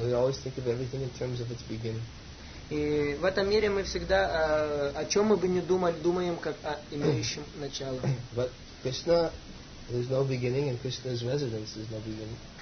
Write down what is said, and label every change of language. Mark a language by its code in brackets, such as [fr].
[en] We always think of everything in terms of its beginning. [ru] И в этом мире мы всегда, о чем мы бы ни думали, думаем как о имеющем начало. [en] But Krishna, there's no beginning, and Krishna's residence is no beginning.